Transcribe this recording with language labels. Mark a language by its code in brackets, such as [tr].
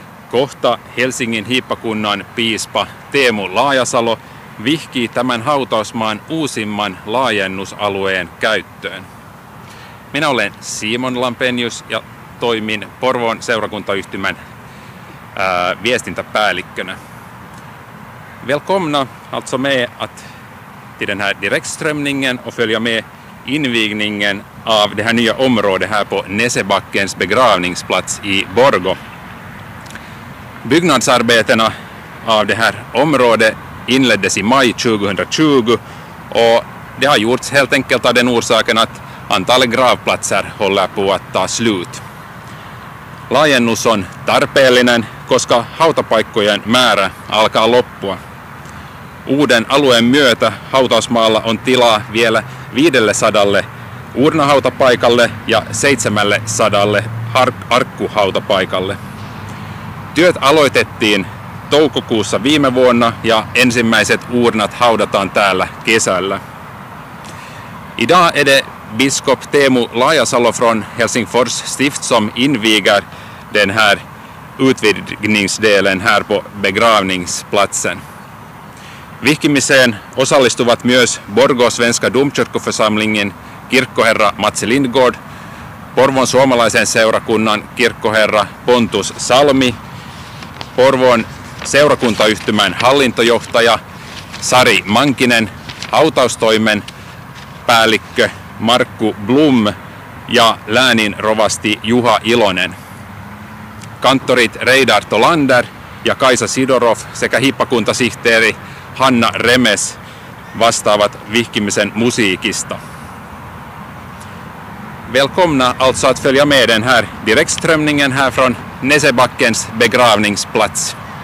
[fi] Kohta Helsingin hiippakunnan piispa Teemu Laajasalo vihkii tämän hautausmaan uusimman laajennusalueen käyttöön. Minä olen Simon Lampenius ja toimin Porvoon seurakuntayhtymän viestintäpäällikkönä. [sv] Välkomna, alltså med att till den här direktströmningen och följa med invigningen av det här nya området här på Näsebackens begravningsplats i Borgo. Byggnadsarbetena av det här området inleddes i maj 2020 och det har gjorts helt enkelt av den orsaken att antalet gravplatser håller på att ta slut. [fi] Laajennus on tarpeellinen, koska hautapaikkojen määrä alkaa loppua. Uuden alueen myötä hautausmaalla on tilaa vielä 500 urnahautapaikalle ja 700 arkkuhautapaikalle. Työt aloitettiin toukokuussa viime vuonna ja ensimmäiset urnat haudataan täällä kesällä. [sv] Idag är det biskop Teemu Laajasalo från Helsingfors stift som inviger den här utvidgningsdelen här på begravningsplatsen. [fi] Vihkimiseen osallistuvat myös Borgo Svenska Domkyrkoförsamlingen kirkkoherra Matsi Lindgård, Porvon suomalaisen seurakunnan kirkkoherra Pontus Salmi, Porvon seurakuntayhtymän hallintojohtaja Sari Mankinen, hautaustoimen päällikkö Markku Blum ja läänin rovasti Juha Ilonen. Kanttorit Reidar Tolander ja Kaisa Sidorov sekä hiippakuntasihteeri Hanna Remes vastaavat vihkimisen musiikista. [sv] Välkomna alltså att följa med den här direktströmningen här från Näsebackens begravningsplats.